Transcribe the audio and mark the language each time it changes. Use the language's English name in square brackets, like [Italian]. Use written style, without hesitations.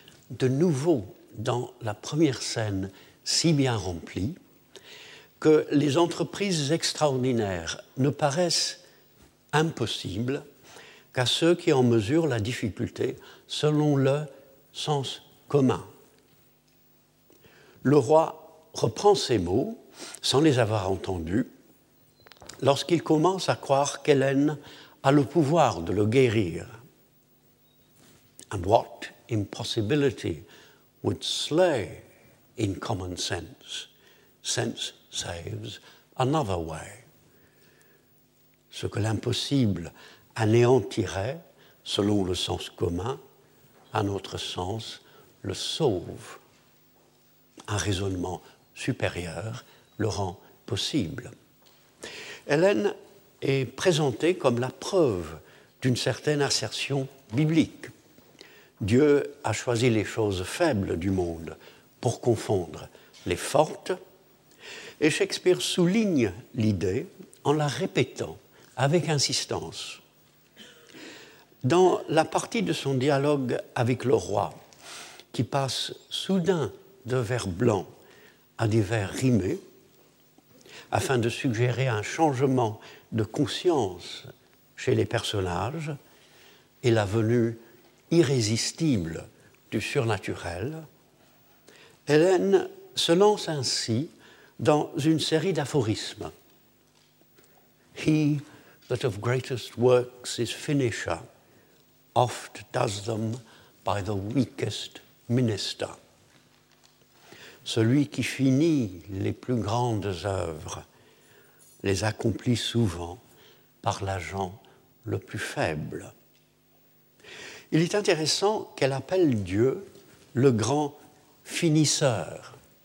[French] de nouveau dans la première scène si bien remplie, que les entreprises extraordinaires ne paraissent impossibles qu'à ceux qui en mesurent la difficulté selon le sens commun. Le roi reprend ces mots sans les avoir entendus lorsqu'il commence à croire qu'Hélène a le pouvoir de le guérir. [English] And what impossibility would slay in common sense? Sense saves, another way. [French] Ce que l'impossible anéantirait, selon le sens commun, à notre sens, le sauve. Un raisonnement supérieur le rend possible. Hélène est présentée comme la preuve d'une certaine assertion biblique. Dieu a choisi les choses faibles du monde pour confondre les fortes, et Shakespeare souligne l'idée en la répétant avec insistance. Dans la partie de son dialogue avec le roi, qui passe soudain de vers blancs à des vers rimés, afin de suggérer un changement de conscience chez les personnages et la venue irrésistible du surnaturel, Hélène se lance ainsi dans une série d'aphorismes. [English] He that of greatest works is finisher, oft does them by the weakest minister. [French] Celui qui finit les plus grandes œuvres les accomplit souvent par l'agent le plus faible. Il est intéressant qu'elle appelle Dieu le grand finisseur.